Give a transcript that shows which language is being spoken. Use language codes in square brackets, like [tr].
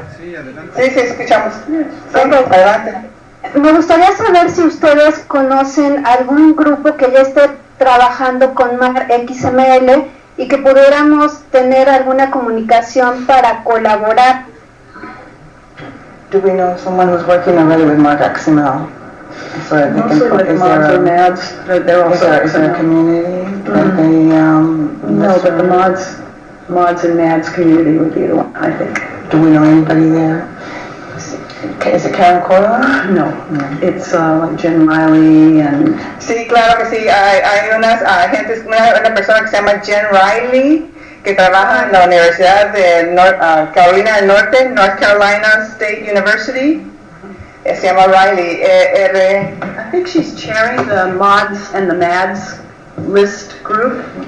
[es] Sí, adelante. Sí, escuchamos. Sí, adelante. Me gustaría saber si ustedes conocen algún grupo que ya esté trabajando con MAR XML, y que pudiéramos tener alguna comunicación para colaborar. [en] Do we know someone who's working already with MARC XML? So they can put the MARC in ads. They're also in a community. But the mods and ads community would be the one, I think. Do we know anybody there? [es] ¿Es Karen Corla? No, es Jen Riley. Sí, claro que sí. Hay una persona que se llama Jen Riley, que trabaja en la Universidad de Carolina del Norte, North Carolina State University. Se llama Riley. [en] I think she's chairing the mods and the mads list group.